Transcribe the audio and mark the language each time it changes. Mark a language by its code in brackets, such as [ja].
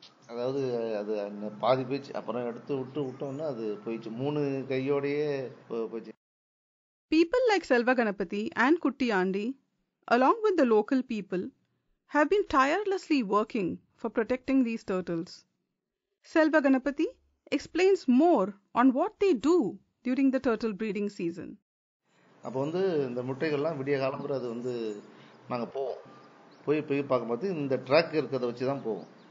[ta] அதாவது அது பாதி போயிச்சு அப்புறம் எடுத்து விட்டு விட்டோம்னா அது போயிச்சு மூணு கையோடையே போயிச்சு. [en] People like Selva Ganapati and Kutti Andi, along with the local people, have been tirelessly working for protecting these turtles. Selva Ganapati explains more on what they do during the turtle breeding season. [ta] அப்ப வந்து இந்த முட்டைகள்லாம் விடிய காலம்புற அது வந்து நாங்க போவோம். போய் போய் பார்க்கும்போது இந்த ட்ராக் இருக்கிறத வச்சு தான் போவோம்.